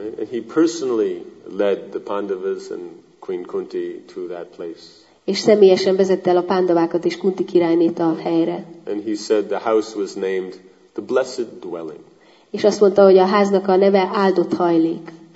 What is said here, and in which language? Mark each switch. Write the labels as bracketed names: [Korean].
[English] And he personally led the Pandavas and Queen Kunti to that place. [Hungarian] És személyesen vezette el a pándavákat és Kunti királynét a helyre. [English] And he said the house was named the blessed dwelling. [Hungarian] És azt mondta, hogy a háznak a neve áldott hajlék.